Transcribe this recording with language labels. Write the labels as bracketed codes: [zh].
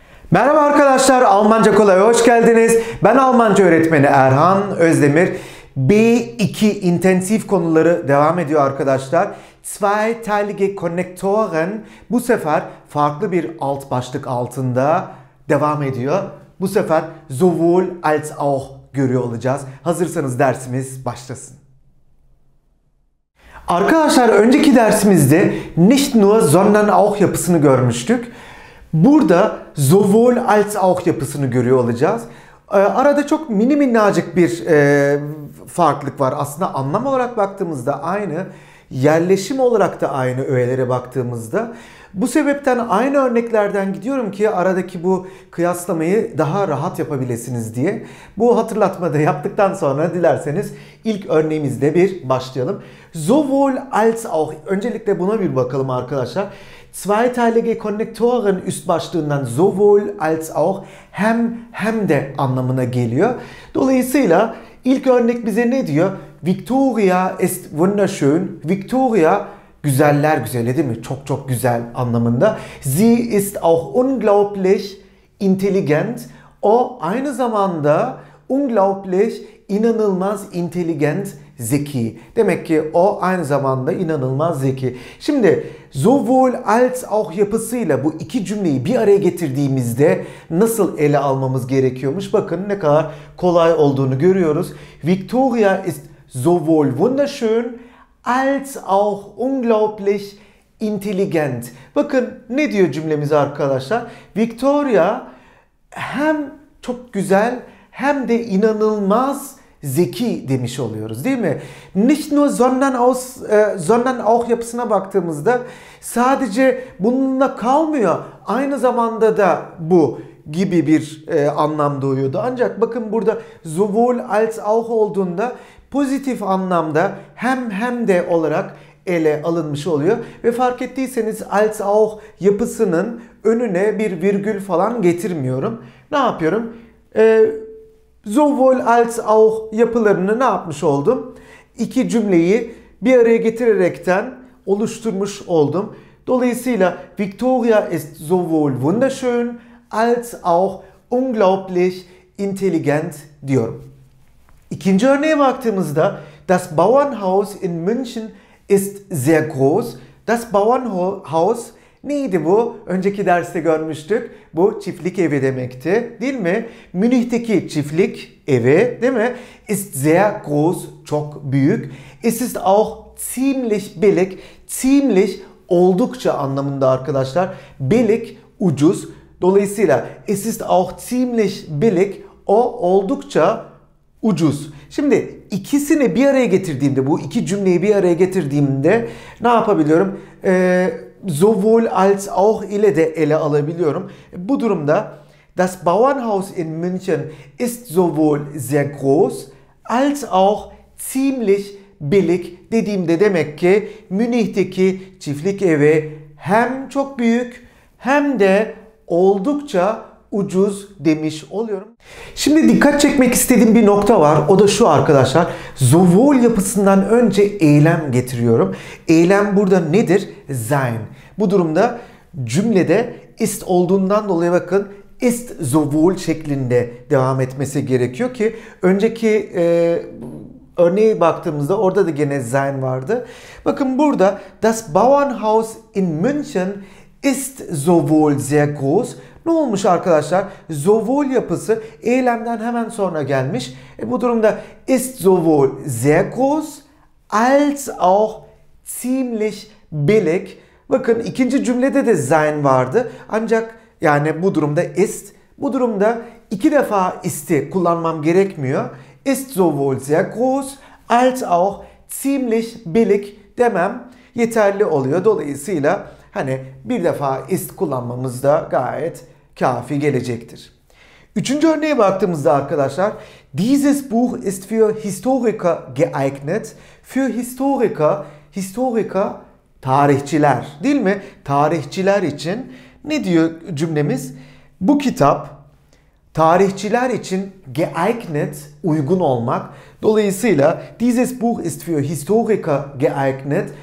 [tr] Merhaba arkadaşlar, Almanca Kolay'a hoş geldiniz. Ben Almanca öğretmeni Erhan Özdemir. B2 intensif konuları devam ediyor arkadaşlar. Zweiteilige Konnektoren bu sefer farklı bir alt başlık altında devam ediyor. Bu sefer sowohl als auch görüyor olacağız. Hazırsanız dersimiz başlasın. Arkadaşlar önceki dersimizde nicht nur sondern auch yapısını görmüştük. Burada sowohl als auch yapısını görüyor olacağız. Arada çok mini minnacık bir farklılık var. Aslında anlam olarak baktığımızda aynı. Yerleşim olarak da aynı öğelere baktığımızda. Bu sebepten aynı örneklerden gidiyorum ki aradaki bu kıyaslamayı daha rahat yapabilirsiniz diye. Bu hatırlatmayı da yaptıktan sonra dilerseniz ilk örneğimizde bir başlayalım. Sowohl als auch. Öncelikle buna bir bakalım arkadaşlar. Zweiteilige Konnektoren üst başlığından sowohl als auch hem de anlamına geliyor. Dolayısıyla ilk örnek bize ne diyor? [de] Victoria ist wunderschön. [tr] Victoria güzeller güzeli değil mi? Çok çok güzel anlamında. [de] Sie ist auch unglaublich intelligent. [tr] O aynı zamanda unglaublich inanılmaz intelligent zeki. Demek ki o aynı zamanda inanılmaz zeki. Şimdi sowohl als auch yapısıyla bu iki cümleyi bir araya getirdiğimizde nasıl ele almamız gerekiyormuş? Bakın ne kadar kolay olduğunu görüyoruz. [de] Victoria ist sowohl wunderschön als auch unglaublich intelligent. [tr] Bakın ne diyor cümlemiz arkadaşlar? Victoria hem çok güzel hem de inanılmaz zeki demiş oluyoruz değil mi? Nicht nur sondern auch yapısına baktığımızda sadece bununla kalmıyor. Aynı zamanda da bu gibi bir anlam doğuyordu. Ancak bakın burada sowohl als auch olduğunda pozitif anlamda hem de olarak ele alınmış oluyor. Ve fark ettiyseniz als auch yapısının önüne bir virgül falan getirmiyorum. Ne yapıyorum? Sowohl als auch yapılarını ne yapmış oldum? İki cümleyi bir araya getirerekten oluşturmuş oldum. [de] Dolayısıyla Victoria ist sowohl wunderschön als auch unglaublich intelligent diyorum. [tr] İkinci örneğe baktığımızda [de] das Bauernhaus in München ist sehr groß. [tr] Das Bauernhaus neydi bu? Önceki derste görmüştük. Bu çiftlik evi demekti. Değil mi? Münih'teki çiftlik evi, değil mi? [de] Ist sehr groß, çok büyük. Es ist auch ziemlich billig. [tr] Ziemlich oldukça anlamında arkadaşlar. Billig ucuz. [de] Dolayısıyla es ist auch ziemlich billig. [tr] O oldukça ucuz. Şimdi ikisini bir araya getirdiğimde, bu iki cümleyi bir araya getirdiğimde ne yapabiliyorum? Sowohl als auch ile de ele alabiliyorum. Bu durumda [de] das Bauernhaus in München ist sowohl sehr groß als auch ziemlich billig [tr] dediğimde demek ki Münih'teki çiftlik evi hem çok büyük hem de oldukça ucuz demiş oluyorum. Şimdi dikkat çekmek istediğim bir nokta var. O da şu arkadaşlar. Sowohl yapısından önce eylem getiriyorum. Eylem burada nedir? Sein. Bu durumda cümlede ist olduğundan dolayı bakın ist sowohl şeklinde devam etmesi gerekiyor ki önceki örneğe baktığımızda orada da gene sein vardı. Bakın burada [de] das Bauernhaus in München ist sowohl sehr groß. [tr] Ne olmuş arkadaşlar? Sowohl yapısı eylemden hemen sonra gelmiş. Bu durumda [de] ist sowohl sehr groß als auch ziemlich billig. [tr] Bakın ikinci cümlede de sein vardı. Ancak yani bu durumda ist. Bu durumda iki defa ist'i kullanmam gerekmiyor. [de] Ist sowohl sehr groß als auch ziemlich billig [tr] demem yeterli oluyor. Dolayısıyla hani bir defa ist kullanmamız da gayet kafi gelecektir. Üçüncü örneğe baktığımızda arkadaşlar [de] dieses Buch ist für Historiker geeignet. [tr] Für Historiker tarihçiler değil mi? Tarihçiler için ne diyor cümlemiz? Bu kitap tarihçiler için geeignet uygun olmak. [de] Dolayısıyla dieses Buch ist für Historiker geeignet.